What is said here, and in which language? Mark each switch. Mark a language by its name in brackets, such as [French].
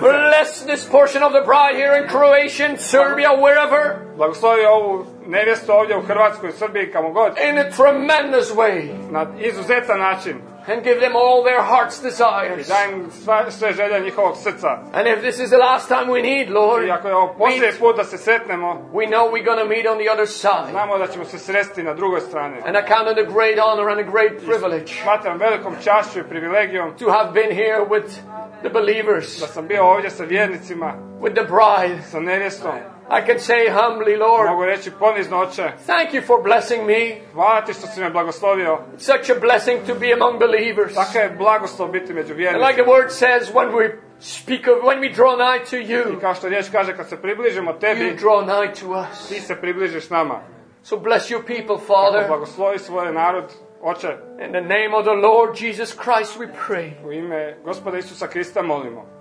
[English] Bless this portion of the bride here in Croatia, Serbia, wherever. [Croatian] Blagoslovi ovu nevjestu ovdje u Hrvatskoj, u Srbiji, kamo god. [English] In a tremendous way. [Croatian] Na izuzetan način. [English] And give them all their heart's desires. [Croatian] I daj im sve želje njihovog srca. [English] And if this is the last time we need, Lord, [Croatian] i ako je ovo posljednji put da se sretnemo, [English] we know we're gonna meet on the other side. [Croatian] Znamo da ćemo se sresti na drugoj strani. [English] And I count it a great honor and a great privilege. [Croatian] Smatram velikom čašću i privilegijom [English] to have been here with the believers. [Croatian] Da sam bio ovdje sa vjernicima. [English] With the bride. [Croatian] Sa nevjestom. [English] I can say humbly, Lord. [Croatian] Mogu reći ponizno, Oče. [English] Thank you for blessing me. [Croatian] Hvala ti što si me blagoslovio. [English] It's such a blessing to be among believers. [Croatian] Tako je blagoslov biti među vjernicima. [English] Like the word says, when we speak of, when we draw nigh to you. [Croatian] I kao što riječ kaže, kad se približimo tebi. [English] You draw nigh to us. [Croatian] Ti se približiš nama. [English] So bless your people, Father. [Croatian] Tako blagoslovi svoj narod, Oče. [English] In the name of the Lord Jesus Christ, we pray. [Croatian] U ime Gospoda Isusa Krista molimo.